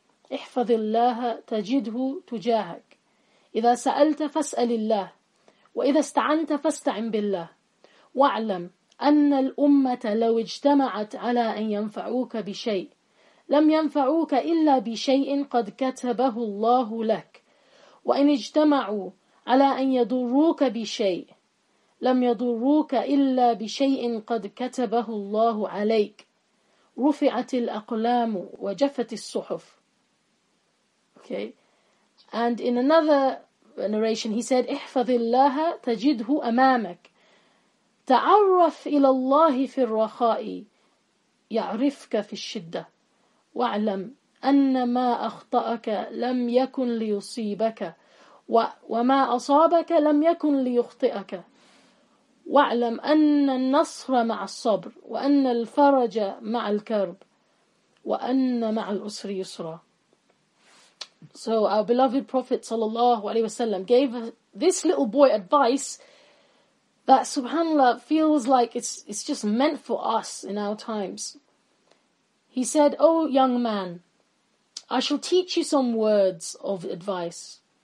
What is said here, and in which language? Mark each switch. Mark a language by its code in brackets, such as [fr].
[ar] ihfazi Allah tajidhu tujahak إذا سألت فاسأل الله وإذا استعنت فاستعن بالله واعلم أن الأمة لو اجتمعت على أن ينفعوك بشيء لم ينفعوك إلا بشيء قد كتبه الله لك وإن اجتمعوا على أن يضروك بشيء لم يضروك إلا بشيء قد كتبه الله عليك رفعت الأقلام وجفت الصحف." [en] Okay. And in another narration, he said, [ar] "احفظِ الله تجده أمامك. تعرف إلى الله في الرخاء يعرفك في الشدة. واعلم أن ما أخطأك لم يكن ليصيبك وما أصابك لم يكن ليخطئك. واعلم أن النصر مع الصبر وأن الفرج مع الكرب وأن مع العسر يسرا." [en] So our beloved Prophet sallallahu alaihi wasallam gave this little boy advice that subhanAllah feels like it's just meant for us in our times. He said, "Oh young man, I shall teach you some words of advice."